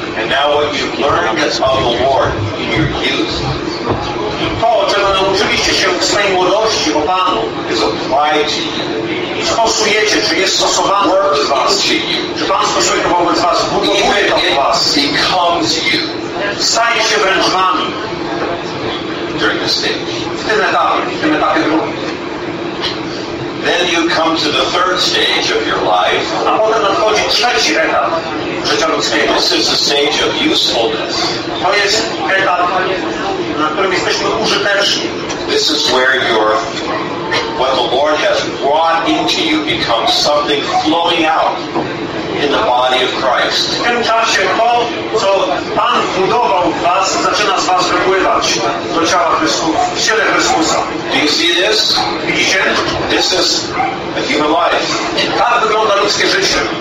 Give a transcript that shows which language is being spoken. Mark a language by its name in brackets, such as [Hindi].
[English] And now what you've learned is of the Lord in your youth. [Polish] To, czego nauczyliście się w swojej młodości o Panu, [English] is applied to you. [Polish] Stosujecie, czy jest stosowane wobec was, czy Pan stosuje to wobec was, budowuje to w was. [English] Becomes you. [Polish] Staje się wręcz wami. [English] During the stage. [Polish] W tym etapie drugim. [English] Then you come to the third stage of your life. [Polish] A potem nadchodzi trzeci etap życia ludzkiego. [English] This is the stage of usefulness. [Polish] To jest etap, na którym jesteśmy użyteczni. [English] This is where your what the Lord has brought into you becomes something flowing out in the body of Christ. [Polish] W tym czasie to, co Pan budował w was, zaczyna z was wypływać do ciała Chrystusa, w ciele Chrystusa. [English] Do you see this? [Polish] Widzicie? [English] This is a human life. [Polish] Tak wygląda ludzkie życie.